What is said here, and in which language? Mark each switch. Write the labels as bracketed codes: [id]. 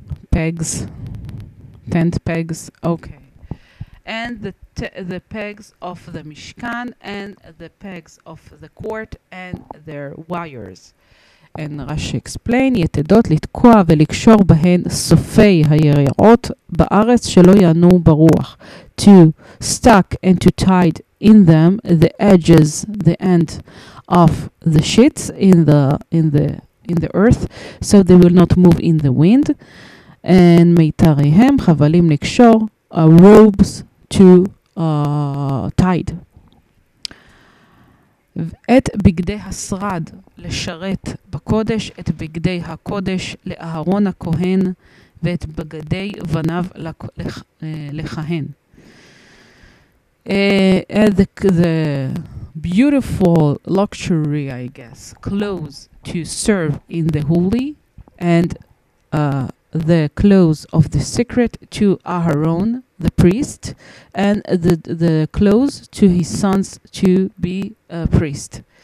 [en] Pegs. Tent pegs. Okay. And the pegs of the Mishkan and the pegs of the court and their wires. And Rashi explained, [he] יתדות לתקוע ולקשור בהן סופי היריעות בארץ שלא ינו ברוח. [en] To stuck and to tied in them the edges, the end of the sheets in the earth, so they will not move in the wind. And [he] מיתריהם חבלים לקשור, [en] robes to tied. [he] את בגדי השרד לשרת בקודש, את בגדי הקודש לאהרון הכהן, ואת בגדי בניו לכהן. [en] The beautiful luxury, I guess, clothes to serve in the holy, and the clothes of the secret to Aharon, the priest, and the clothes to his sons to be a priest.